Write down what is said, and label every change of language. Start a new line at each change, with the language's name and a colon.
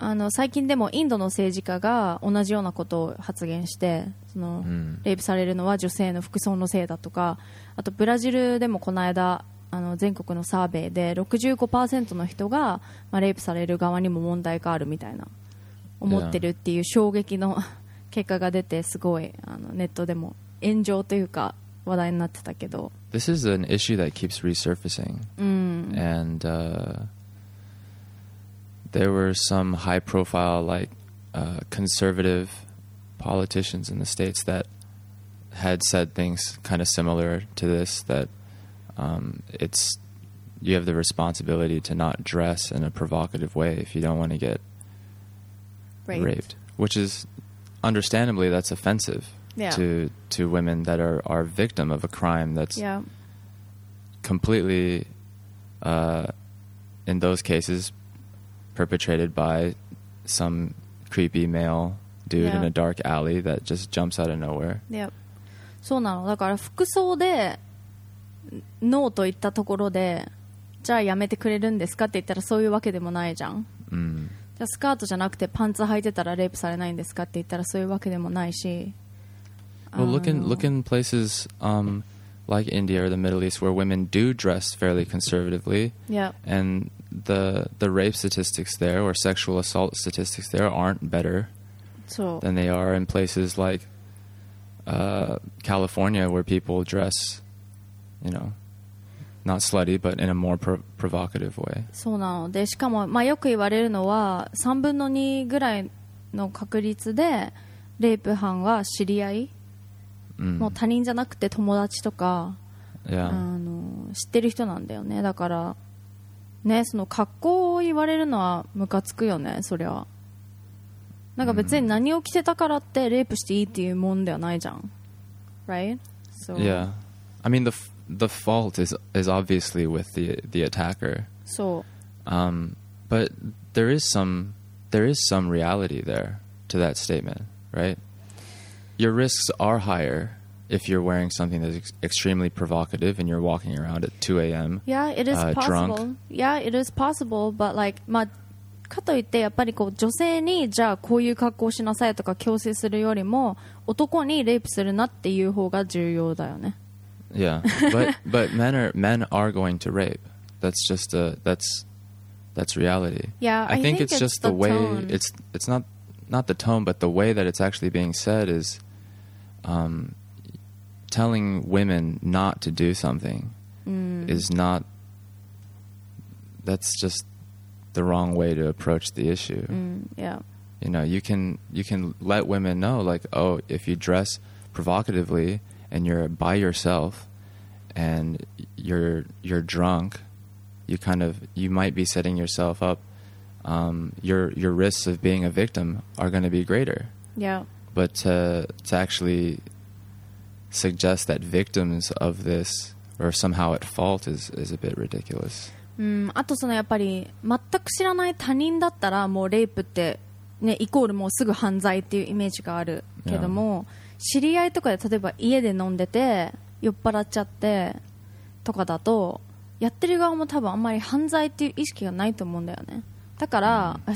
Japanese: 最近でもインドの政治家が同じようなことを発言して、そのレイプされるのは女性の服装のせいだとか、あとブラジルでもこの間全国のサーベイで 65% の人が、まあ、レイプされる側にも問題があるみたいな思ってるっていう衝撃の結果が出て、すごいネットでも炎上というか話題になってたけど、
English: This is an issue that keeps resurfacing、and there were some high profile like conservative politicians in the states that had said things kind of similar to this, thatit's you have the responsibility to not dress in a provocative way if you don't want to get raped, which is understandably that's offensive、 yeah. to women that are victim of a crime that's、 yeah. completely in those cases perpetrated by some creepy male dude、yeah. in a dark alley that just jumps out of nowhere. Yep.
Japanese: そうなの。だから服装でノーと言ったところで、じゃあやめてくれるんですかって言ったらそういうわけでもないじゃん、じゃあスカートじゃなくてパンツ履いてたらレイプされないんですかって言ったらそういうわけでもないし、
English: Well, look in places like India or the Middle East where women do dress fairly conservatively, yeah, and the rape statistics there or sexual assault statistics there aren't better than they are in places like California where people dressYou know, not slutty, but in a more provocative way.
Japanese: そうなの。で、しかも、まあ、よく言われるのは3分の2ぐらいの確率でレイプ犯は知り合い、もう他人じゃなくて友達とか、知ってる人なんだよね。だからね、その格好を言われるのはムカつくよね、そりゃ。なんか別に何を着てたからってレイプしていいっていうもんではないじゃん。
English: Right? So, yeah. I mean, the fault is obviously with the attacker. So, But there is some reality there to that statement, right? Your risks are higher if you're wearing something that's extremely provocative and you're walking around at 2 a.m. Yeah, it is possible. Drunk. Yeah, it is possible. But like,
Japanese: まあ、かといってやっぱりこう女性にじゃあこういう格好しなさいとか強制するよりも男にレイプするなっていう方が重要だよね。
English: Yeah, but men are going to rape. That's just that's reality. Yeah, I think it's just the way tone. It's not the tone, but the way that it's actually being said is telling women not to do something is not, that's just the wrong way to approach the issue. Yeah. You know, you can let women know like, oh, if you dress provocatively and you're by yourself and you're drunk, you might be setting yourself up. Your risks of being a victim are going to be greater. Yeah. But to actually suggest that victims of this are somehow at fault is a bit ridiculous.
Japanese: あとそのやっぱり全く知らない他人だったらもうレイプって、ね、イコールもうすぐ犯罪っていうイメージがあるけども、yeah. 知り合いとかで例えば家で飲んでて酔っ払っちゃってとかだとやってる側も多分あんまり犯罪っていう意識がないと思うんだよね。だから、mm.